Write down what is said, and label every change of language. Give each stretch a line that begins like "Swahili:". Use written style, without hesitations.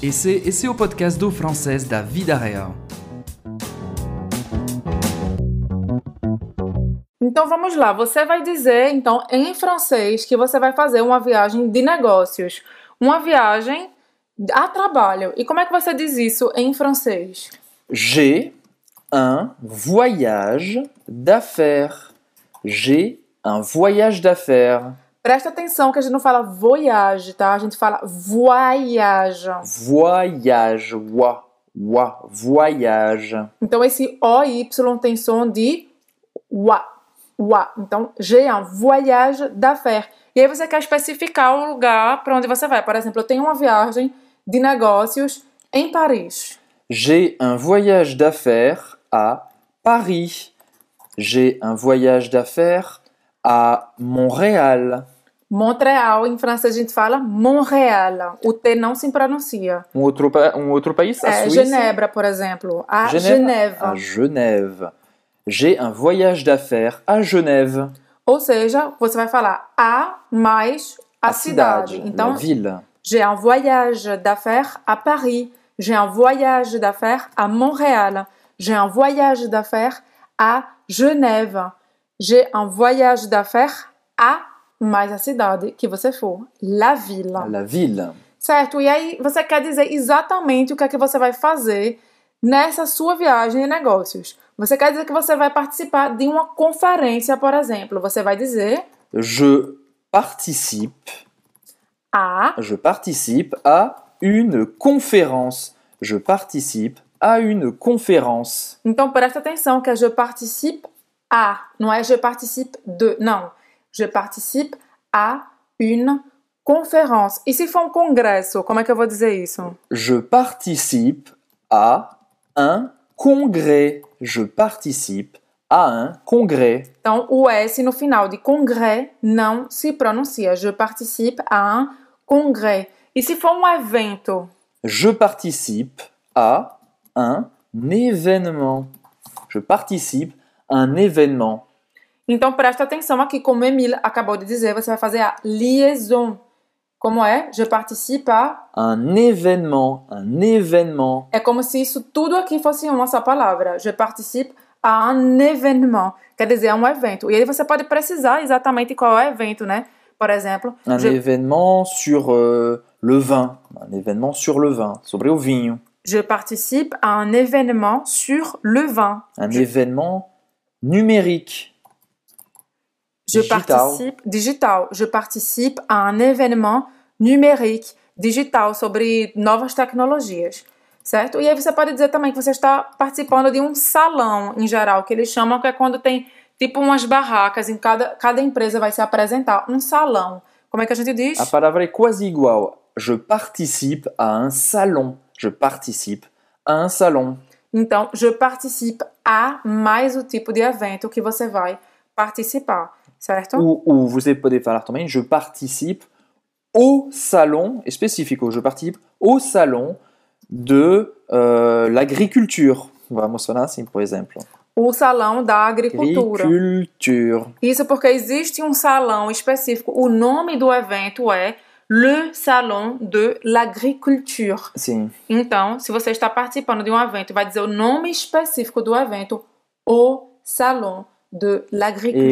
Portuguese: Esse é o podcast do francês da vida real. Então vamos lá, você vai dizer então em francês que você vai fazer uma viagem de negócios. Uma viagem a trabalho. E como é que você diz isso em francês?
French: J'ai un voyage d'affaires. J'ai un voyage d'affaires.
Portuguese: Presta atenção que a gente não fala voyage, tá? A gente fala voyage. Voyage. Wa, wa, voyage. Então esse OY tem som de wa, wa. Então j'ai un voyage d'affaires. E aí você quer especificar o lugar para onde você vai. Por exemplo, eu tenho uma viagem de negócios em Paris.
French: J'ai un voyage d'affaires à Paris. J'ai un voyage d'affaires à Montréal.
Portuguese: Montréal, em francês a gente fala Montréal. O T não se pronuncia. Um outro país, a Suíça. Genebra, por exemplo.
French: À Genève. À Genève. J'ai un voyage d'affaires à Genève.
Portuguese: Ou seja, você vai falar à mais a cidade. Então, la ville.
French: J'ai un voyage d'affaires à Paris. J'ai un voyage d'affaires à Montréal. J'ai un voyage d'affaires à Genève. J'ai un voyage d'affaires à
Portuguese: mais a cidade que você for.
French: La ville. La ville.
Portuguese: Certo, e aí você quer dizer exatamente o que é que você vai fazer nessa sua viagem de negócios. Você quer dizer que você vai participar de uma conferência, por exemplo. Você vai dizer...
French: Je participe... À... Je participe à une conférence. Je participe à une conférence.
Portuguese: Então presta atenção que
French: je participe à,
Portuguese: não é
French: je participe de,
Portuguese: não.
French: Je participe à une conférence.
Portuguese: E se for um congresso, como é que eu vou dizer isso?
French: Je participe à un congrès. Je participe à un congrès.
Portuguese: Então o S no final de congrès não se pronuncia.
French: Je participe à un congrès.
Portuguese: E se for um evento?
French: Je participe à un événement. Je participe à un événement.
Portuguese: Então presta atenção aqui, como Emile acabou de dizer, você vai fazer a liaison. Como é?
French: Je participe à un événement, un événement.
Portuguese: É como se isso tudo aqui fosse uma só palavra.
French: Je participe à un événement.
Portuguese: Quer dizer, é um evento. E aí você pode precisar exatamente qual é o evento, né? Por exemplo,
French: événement sur le vin. Un événement sur le vin,
Portuguese: sobre o vinho.
French: Je participe à un événement sur le vin. Un événement numérique. Je participe digital. Je participe à un événement numérique digital
Portuguese: sobre novas tecnologias, certo? E aí você pode dizer também que você está participando de um salão em geral, que eles chamam, que é quando tem tipo umas barracas, em cada empresa vai se apresentar. Um salão. Como é que a gente diz? A palavra é quase igual.
French: Je participe à un salon. Je participe à un salon.
Portuguese: Então,
French: je participe à
Portuguese: mais o tipo de evento que você vai participar. Certo? Ou você pode falar também,
French: je participe au salon
Portuguese: específico.
French: Je participe au salon de l'agriculture.
Portuguese: Vamos falar assim, por exemplo. O salão da agricultura.
French: Agriculture.
Portuguese: Isso porque existe um salão específico. O nome do evento é Le Salon de l'Agriculture. Sim. Então, se você está participando de um evento, vai dizer o nome específico do evento, O Salon de l'Agriculture.